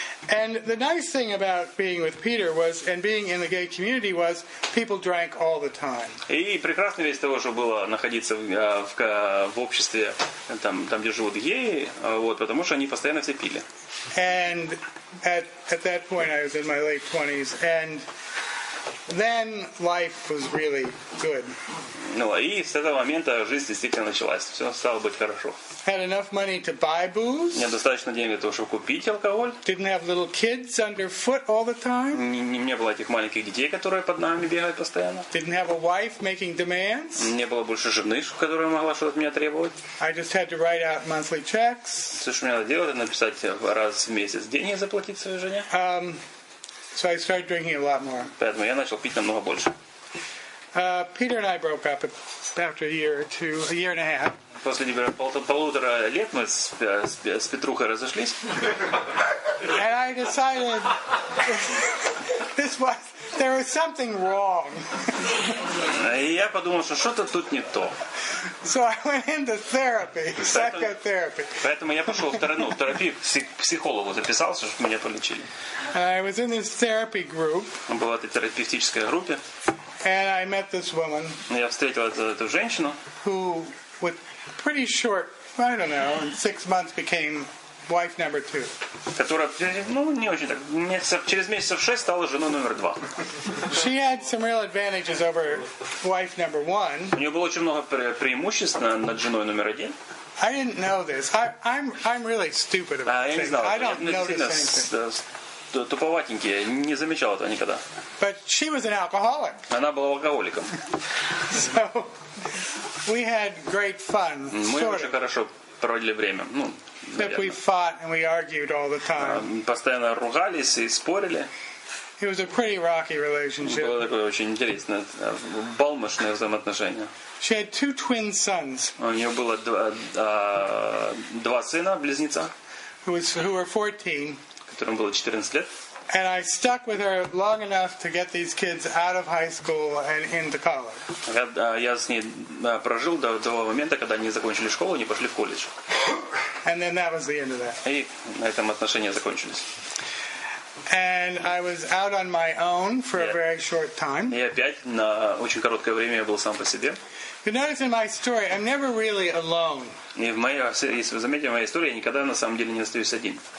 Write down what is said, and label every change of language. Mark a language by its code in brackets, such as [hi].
[en] And the nice thing about being with Peter was, and being in the gay community was, people drank all the time. [ru] И прекрасная вещь того, что было находиться в обществе, там где живут геи, вот, потому что они постоянно все пили. [en] And at that point I was in my late 20s, and then life was really good. [ru] Ну, и с этого момента жизнь действительно началась. Все стало быть хорошо. [en] Had enough money to buy booze. [ru] Мне достаточно денег для того, чтобы купить алкоголь. [en] Didn't have little kids underfoot all the time. [ru] Не было этих маленьких детей, которые под нами бегают постоянно. [en] Didn't have a wife making demands. [ru] Не было больше жены, которая могла что-то от меня требовать. [en] I just had to write out monthly checks. [ru] Все, что мне надо делать, это написать раз в месяц деньги заплатить своей жене. [en] So I started drinking a lot more. [ru] Поэтому я начал пить намного больше. [en] Peter and I broke up after a year or two, a year and a half. [ru] После полутора лет мы с Петрухой разошлись. [en] And I decided this was there was something wrong. [ru] И я подумал, что что-то тут не то. [en] So I went into therapy, psychotherapy. [ru] Поэтому я пошел в терапию, к психологу записался, чтобы меня полечили. [en] I was in this therapy group. [ru] Была эта терапевтическая группа. [en] And I met this woman. [ru] Я встретил эту женщину. [en] Who, with pretty short, I don't know, in 6 months became wife number two. [ru] Которая, ну не очень так, через месяцев шесть стала женой номер два. [en] She had some real advantages over wife number one. [ru] У нее было очень много преимуществ над женой номер один. [en] I didn't know this. I'm really stupid about things. [ru] Я не знал. [en] I don't know this anything. [ru] Туповатенький, не замечал этого никогда. [en] But she was an alcoholic. [ru] Она была алкоголиком. [en] So we had great fun. [ru] Мы очень хорошо проводили время. Ну, [en] but we fought and we argued all the time. [ru] Постоянно ругались и спорили. [en] It was a pretty rocky relationship. [ru] Было такое очень интересное, балмошное взаимоотношение. [en] She had two twin sons. [ru] У нее было два сына, близнеца. [en] Who were 14. [ru] Которым было 14 лет. [en] And I stuck with her long enough to get these kids out of high school and into college. [ru] Я с ней прожил до того момента, когда они закончили школу и не пошли в колледж. [en] And then that was the end of that. [ru] И на этом отношения закончились. [en] And I was out on my own for a very short time. [ru] И опять на очень короткое время я был сам по себе. [en] You notice in my story, I'm never really alone. [ru] И если вы заметили, в моей истории я никогда на самом деле не остаюсь один.